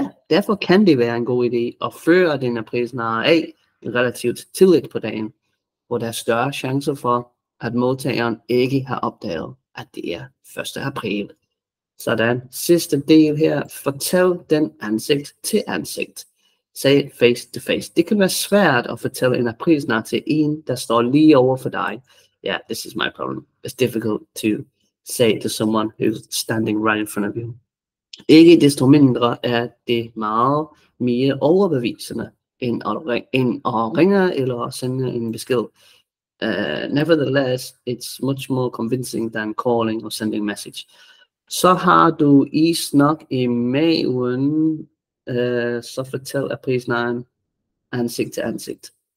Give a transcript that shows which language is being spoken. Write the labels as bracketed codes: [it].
[da] Derfor kan det være en god idé at føre din aprilsnar af relativt tidligt på dagen, hvor der er større chancer for, at modtageren ikke har opdaget, at det er 1. april. Sådan, sidste del her. Fortæl den ansigt til ansigt. [en] Say it face to face. [da] Det kan være svært at fortælle en aprilsnar til en, der står lige over for dig. [en] Yeah, this is my problem. It's difficult to say it to someone who's standing right in front of you. [da] Ikke desto mindre er det meget mere overbevisende end at ringe eller sende en besked. [en] Nevertheless, it's much more convincing than calling or sending message. [da] Så har du is nok i maven, så fortæl aprilsnar ansigt til ansigt.